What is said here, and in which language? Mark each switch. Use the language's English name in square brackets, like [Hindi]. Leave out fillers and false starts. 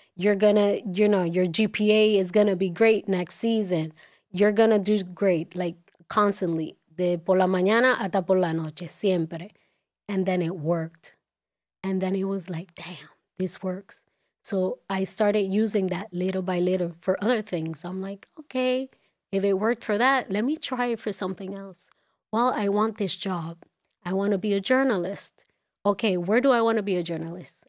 [English] Your GPA is gonna be great next season. You're gonna do great, like constantly. [Spanish] De por la mañana hasta por la noche, siempre. [English] And then it worked. And then it was like, damn, this works. So I started using that little by little for other things. I'm like, okay. If it worked for that, let me try it for something else. Well, I want this job. I want to be a journalist. Okay, where do I want to be a journalist?